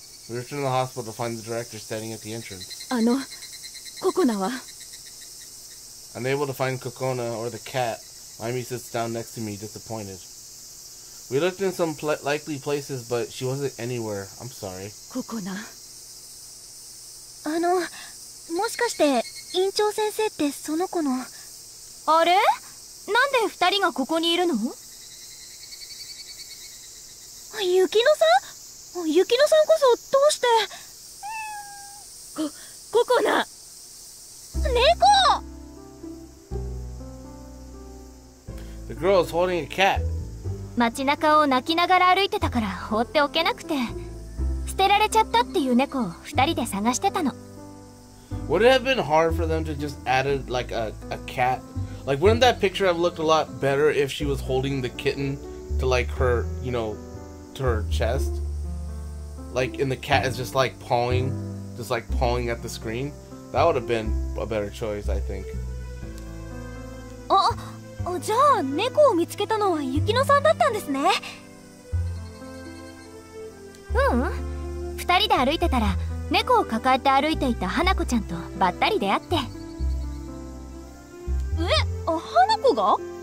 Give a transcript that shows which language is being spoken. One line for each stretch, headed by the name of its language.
English: We return to the hospital to find the director standing at the entrance.
Japanese: ココナは?
English: Unable to find Kokona or the cat, Maimi sits down next to me, disappointed. We looked in some likely places, but she wasn't anywhere. I'm sorry.
Japanese: ココナ。あの、もしかして、院長先生ってその子の。あれ? なんで二人がここにいるの? 雪乃さん? 雪乃さんこそどうして? ココナ! 猫!
English: The girl is holding a cat.
Japanese: 街中を泣きながら歩いてたから放っておけなくて。捨てられちゃったっていう猫を二人で探してたの。
English: Would it have been hard for them to just added like a cat? Like, wouldn't that picture have looked a lot better if she was holding the kitten to like her, you know, to her chest? Like, and the cat is just like pawing at the screen? That would have been a better choice, I think.
Japanese: じゃあ猫を見つけたのは雪乃さんだったんですね。うん。二人で歩いてたら、猫を抱えて歩いていた花子ちゃんとばったり出会って。え、花子が?